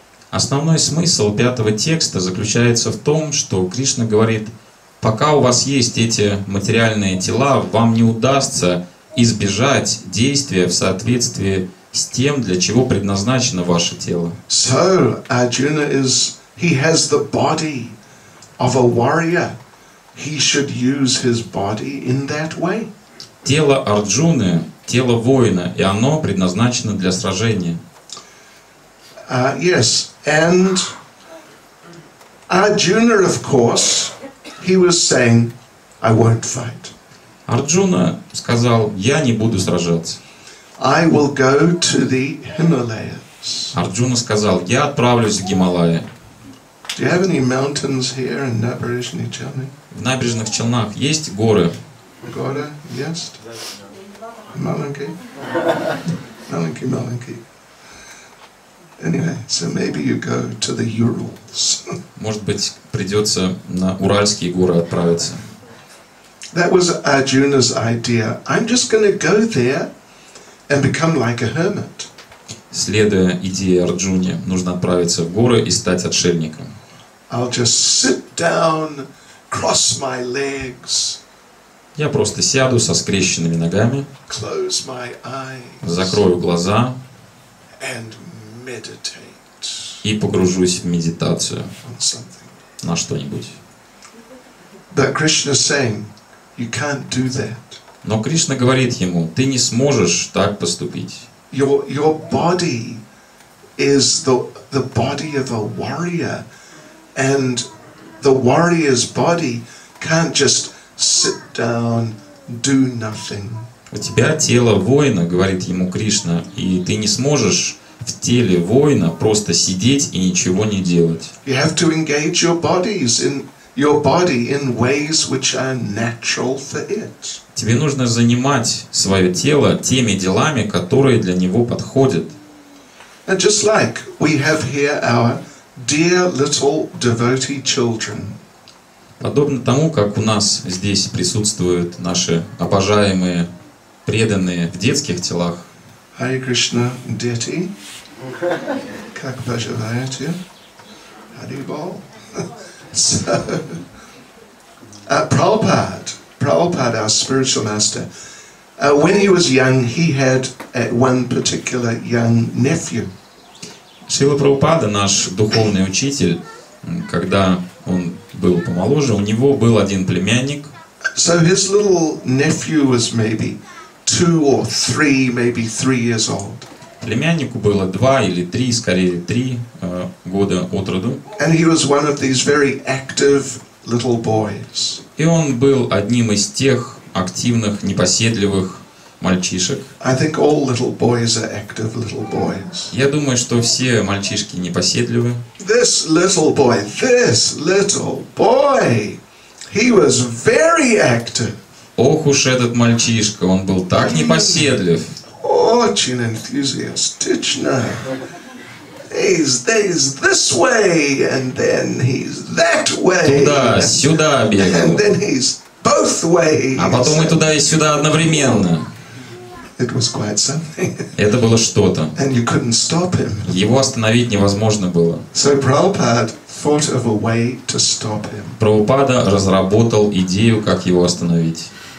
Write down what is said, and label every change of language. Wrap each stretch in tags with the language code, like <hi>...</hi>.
<ru>Основной смысл пятого текста заключается в том, что Кришна говорит, пока у вас есть эти материальные тела, вам не удастся избежать действия в соответствии с тем, для чего предназначено ваше тело.</ru> <en>So, Arjuna has the body of a warrior. He should use his body in that way.</en> <ru>Тело Арджуны, тело воина, и оно предназначено для сражения.</ru> <en>Yes, and Arjuna, of course, he was saying, I won't fight.</en> <ru>Арджуна сказал, я не буду сражаться.</ru> <en>I will go to the Himalayas.</en> <ru>Арджуна сказал, я отправлюсь в Гималаи.</ru> <en>Do you have any mountains here in Nabarishni Chelni?</en> <ru>В Набережных Челнах есть горы? Горы,</ru> <en>yes.</en> <ru>Маленькие.</ru> <en>Anyway, so maybe you go to the Urals.</en> <ru>Может быть, придется на Уральские горы отправиться.</ru> <en>That was Arjuna's idea. I'm just going to go there and become like a hermit.</en> <ru>Следуя идее Арджуны, нужно отправиться в горы и стать отшельником.</ru> <en>I'll just sit down, cross my legs.</en> <ru>Я просто сяду со скрещенными ногами,</ru> <en>close my eyes,</en> <ru>закрою глаза</ru> <en>and meditate,</en> <ru>и погружусь в медитацию на что-нибудь.</ru> <en>But Krishna is saying, you can't do that.</en> <ru>Но Кришна говорит ему, ты не сможешь так поступить.</ru> <en>Your body is the body of a warrior, and the warrior's body can't just sit down, do nothing.</en> <ru>У тебя тело воина, говорит ему Кришна, и ты не сможешь в теле воина просто сидеть и ничего не делать.</ru> <en>You have to engage your body in ways which are natural for it.</en> <ru>Тебе нужно занимать свое тело теми делами, которые для него подходят.</ru> <en>And just like we have here our dear little devotee children.</en> <ru>Подобно тому, как у нас здесь присутствуют наши обожаемые преданные в детских телах. Hare Krishna, дети. Как поживаете? Харибол.</ru> <en>So, Prabhupada, our spiritual master, when he was young, he had one particular young nephew.</en> <ru>Шрила Прабхупада, наш духовный учитель, когда он был помоложе, у него был один племянник.</ru> <en>So his little nephew was maybe 2 or 3, maybe 3 years old.</en> <ru>Племяннику было 2 или 3, скорее 3 года от роду.</ru> <en>And he was one of these very active little boys.</en> <ru>И он был одним из тех активных, непоседливых мальчишек.</ru> <en>I think all little boys are active little boys.</en> <ru>Я думаю, что все мальчишки непоседливы.</ru> <en>This little boy, he was very active.</en> <ru>Ох уж этот мальчишка, он был так непоседлив. Очень энтузиастичный.</ru> <en>He's this way, and then he's that way.</en> <ru>Туда, сюда бегал.</ru> <en>And then he's both ways.</en> <ru>А потом и туда, и сюда одновременно.</ru> <en>It was quite something.</en> <ru>Это было что-то.</ru> <en>And you couldn't stop him.</en> <ru>Его остановить невозможно было.</ru> <en>So Prabhupada thought of a way to stop him.</en> <ru>Прабхупада разработал идею, как его остановить.</ru>